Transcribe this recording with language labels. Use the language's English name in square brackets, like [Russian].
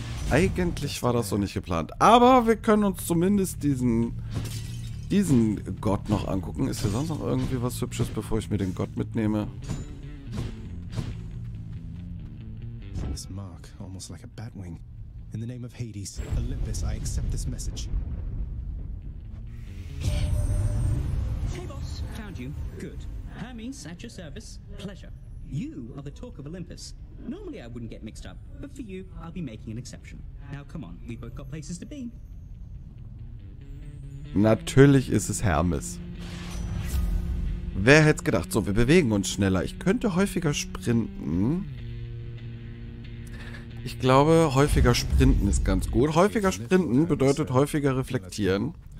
[German] Eigentlich war das so nicht geplant. Aber wir können uns zumindest diesen Gott noch angucken. Ist hier sonst noch irgendwie was Hübsches, bevor ich mir den Gott mitnehme? [English] This mark, almost like a batwing. In the name of Hades, Olympus, I accept this message. Hey boss, found you. Good. Hermes, at your service. Pleasure. You are the talk of Olympus. Normally I wouldn't get mixed up, but for you, I'll be making an exception. Now come on, we've both got places to be. [German] Natürlich ist es Hermes. Wer hätte gedacht, so, wir bewegen uns schneller. Ich könnte häufiger sprinten. Ich glaube, häufiger sprinten ist ganz gut. Häufiger sprinten bedeutet häufiger reflektieren.